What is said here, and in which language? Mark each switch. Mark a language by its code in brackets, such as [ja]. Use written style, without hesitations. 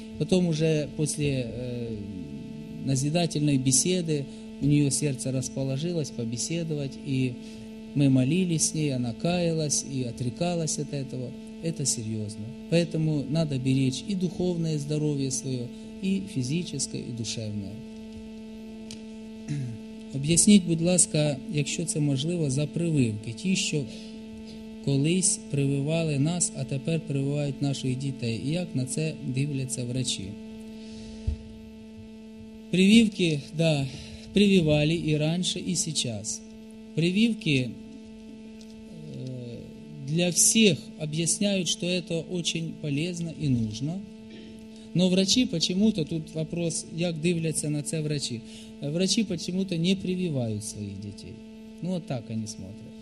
[ru] Потом уже после назидательной беседы у нее сердце расположилось побеседовать, и мы молились с ней, она каялась и отрекалась от этого. Это серьезно. Поэтому надо беречь и духовное здоровье свое, и физическое, и душевное. [uk] Объясніть, будь ласка, якщо це можливо, за прививки. Ті, що колись прививали нас, а тепер прививають наших дітей. І як на це дивляться врачі? Прививки, да, прививали і раніше, і зараз. [ru] Прививки для всех объясняют, что это очень полезно и нужно. Но врачи почему-то, тут вопрос, как [uk] дивляться на це [ru] врачи, врачи почему-то не прививают своих детей. Ну вот так они смотрят.